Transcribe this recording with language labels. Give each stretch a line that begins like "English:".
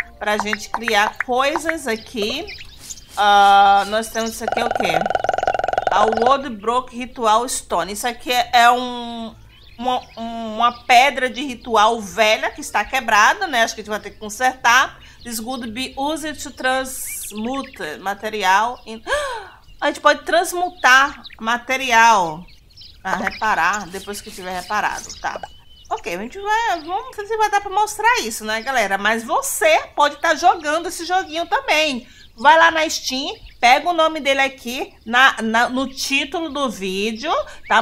Portuguese: Pra gente criar coisas aqui. Nós temos isso aqui, o quê? A Woodbrook Ritual Stone. Isso aqui é uma pedra de ritual velha que está quebrada, né? Acho que a gente vai ter que consertar.
English: This would be used to transmute material.
Portuguese: A gente pode transmutar material para reparar depois que tiver reparado, tá? Ok, a gente vai. Não sei se vai dar para mostrar isso, né, galera? Mas você pode estar jogando esse joguinho também. Vai lá na Steam, pega o nome dele aqui no título do vídeo, tá?